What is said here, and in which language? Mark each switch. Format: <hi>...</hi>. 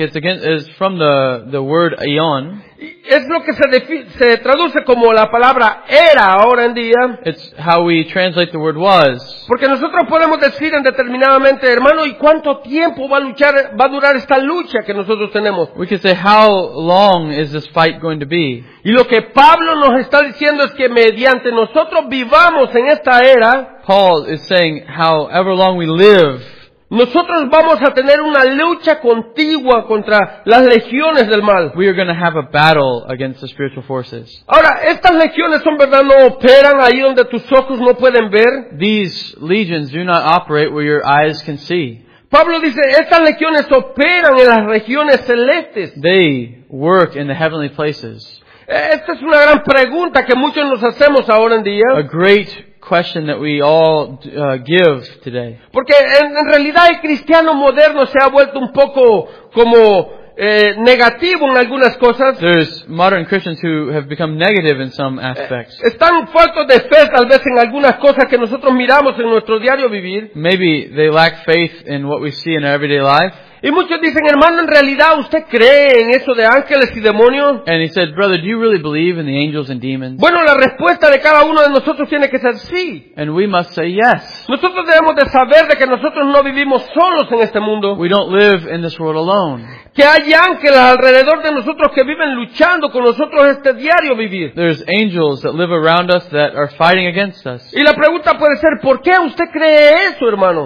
<en>It's again is from the word aion.</en> <es>Es lo que se traduce como la palabra era ahora en día.</es> <en>It's how we translate the word was.</en> <es>Porque nosotros podemos decir indeterminadamente, hermano, ¿y cuánto tiempo va a durar esta lucha que nosotros tenemos?</es> <en>We can say, how long is this fight going to be?</en> <es>Y lo que Pablo nos está diciendo es que mediante nosotros vivamos en esta era,</es> <en>Paul is saying, however long we live,</en> <es>nosotros vamos a tener una lucha continua contra las legiones del mal.</es> <en>We are going to have a battle against the spiritual forces.</en> <es>Ahora, estas legiones son verdad no operan ahí donde tus ojos no pueden ver.</es> <en>These legions do not operate where your eyes can see.</en> <es>Pablo dice, estas legiones operan en las regiones celestes.</es> <en>They work in the heavenly places.</en> <es>Esta es una gran pregunta que muchos nos hacemos ahora en día. A great question that we all give today. Porque en realidad el cristiano moderno se ha vuelto un poco como negativo en algunas cosas.</es> <en>There's modern Christians who have become negative in some aspects.</en> <es>Están faltos de fe tal vez en algunas cosas que nosotros miramos en nuestro diario vivir.</es> <en>Maybe they lack faith in what we see in our everyday life.</en> <es>Y muchos dicen, hermano, ¿en realidad usted cree en eso de ángeles y demonios?</es> <en>And he said, brother, do you really believe in the angels and demons?</en> <es>Bueno, la respuesta de cada uno de nosotros tiene que ser sí.</es> <en>And we must say yes.</en> <es>Nosotros debemos de saber de que nosotros no vivimos solos en este mundo.</es> <en>We don't live in this world alone.</en> <es>Que hay ángeles alrededor de nosotros que viven luchando con nosotros este diario vivir.</es> <en>There's angels that live around us that are fighting against us.</en> <es>Y la pregunta puede ser, ¿por qué usted cree eso, hermano?</es>